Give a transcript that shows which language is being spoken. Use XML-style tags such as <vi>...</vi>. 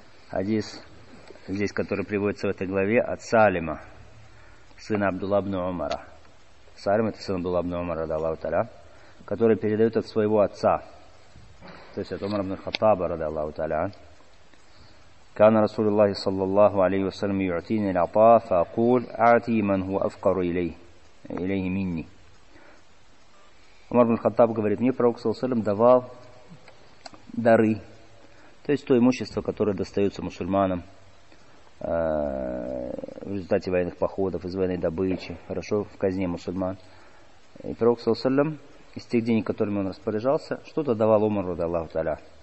<ru>Хадис здесь, который приводится в этой главе, от Салима, сына Абдулла ибн Умара. Салим – это сын Абдулла ибн Умара, рада Аллаху Таала, который передает от своего отца, то есть от Умара ибн Хаттаба, рада Аллаху Таала.</ru> <ar>كان رسول الله صلى الله عليه وسلم يعطيني العطاء فأقول أعطي من هو أفقر إليه مني.</ar> <ru>Умар ибн Хаттаб говорит, мне пророк саллаллаху алейхи ва саллям давал дары, то есть то имущество, которое достается мусульманам в результате военных походов, из военной добычи, хорошо, в казне мусульман. И пророк саллаллаху алейхи ва саллям из тех денег, которыми он распоряжался, что-то давал Умару, рада Аллаху Тааля.</ru>